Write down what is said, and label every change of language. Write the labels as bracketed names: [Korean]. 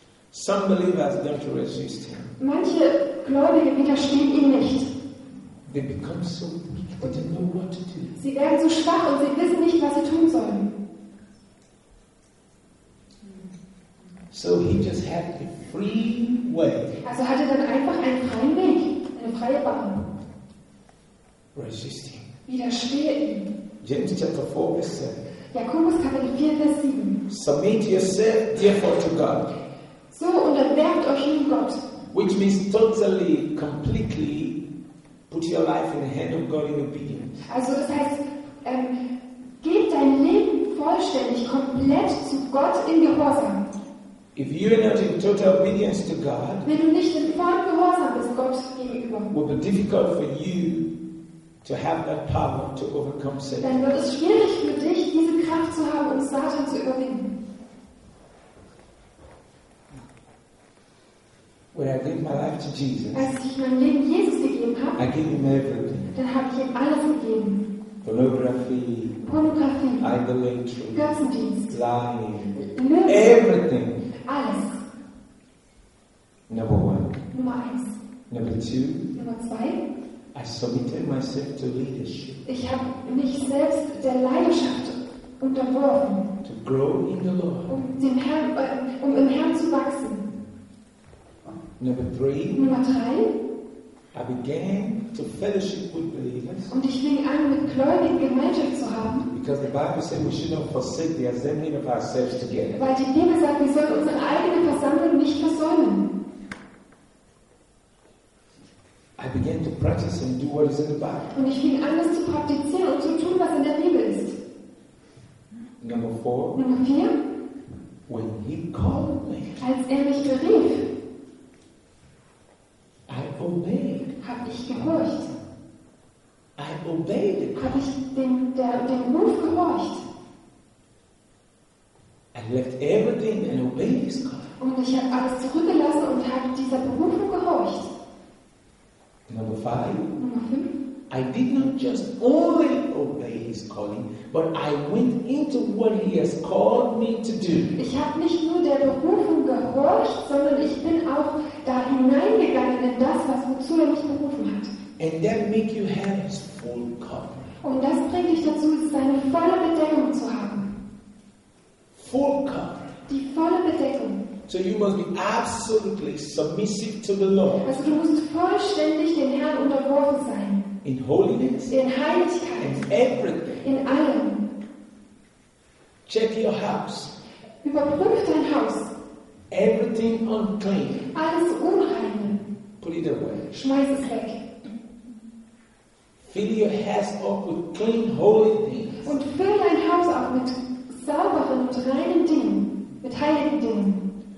[English] Some believers don't resist him. [German] Manche Gläubige widerstehen ihm nicht. [English] They become so weak, they don't know what to do. [German] Sie werden so schwach und sie wissen nicht, was sie tun sollen. [English] So he just had a free way. [German] Also hatte dann einfach einen freien Weg, eine freie Bahn. [English] Resist him. [German] Widerstehe ihm. [English] James chapter 4, verse 7. [German] Jakobus Kapitel 4, Vers 7. [English] Submit yourself therefore to God. [German] So unterwerft euch nun Gott. [English] Which means totally, completely put your life in the hand of God in obedience. [German] Also das heißt, gib dein Leben vollständig, komplett zu Gott in Gehorsam. [English] If you are not in total obedience to God, [German] wenn du nicht in vollem Gehorsam bist Gott gegenüber, [English] will be difficult for you to have that power to overcome Satan. [German] Dann wird es schwierig für dich, diese Kraft zu haben, um Satan zu überwinden. [English] When I gave my life to Jesus, [German] als ich mein Leben Jesus gegeben habe, [English] I gave him everything. [German] Dann habe ich ihm alles gegeben. [English] Pornografie, idolatry, [German] Götzendienst, [English] lying, [German] Lügen, [English] everything. [German] Alles. [English] Number one. [German] Nummer eins. [English] Number 2. I submitted myself to leadership. [German] Ich habe mich selbst der Leidenschaft unterworfen. [English] To grow in the Lord. [German] Um im Herrn zu wachsen. [English] Number 3. I began to fellowship with believers. [German] Und ich fing an, mit Gläubigen Gemeinschaft zu haben. [English] Because the Bible says we should not forsake the assembling of ourselves together. [German] Weil die Bibel sagt, wir sollen unsere eigene Versammlung nicht versäumen. [English] I began to practice and do what is in the Bible. [German] Und ich fing an, das zu praktizieren und zu tun, was in der Bibel ist. [English] Number 4. When he called me. [German] Als er mich berief. [English] I obeyed. [German] Hab ich gehorcht. [English] I obeyed the call. [German] Hab ich dem Ruf gehorcht. [English] I left everything and obeyed his call. [German] Und ich habe alles zurückgelassen und habe dieser Berufung gehorcht. [English] Number 5. Mm-hmm. I did not just only obey his calling, but I went into what he has called me to do. [German] Ich habe nicht nur der Berufung gehorcht, sondern ich bin auch da hineingegangen in das, was wozu er mich berufen hat. [English] And that make you have his full covering. [German] Und das bringt dich dazu, seine volle Bedeckung zu haben. [English] Full covering. [German] Die volle Bedeckung. [English] So you must be absolutely submissive to the Lord. [German] Also du musst vollständig dem Herrn unterworfen sein. [English] In holiness. [German] In Heiligkeit. [English] In everything. [German] In allem. [English] Check your house. [German] Überprüf dein Haus. [English] Everything unclean. [German] Alles unrein. [English] Put it away. [German] Schmeiß es weg. [English] Fill your house up with clean, holy things. [German] Und füll dein Haus auch mit sauberen und reinen Dingen, mit heiligen Dingen.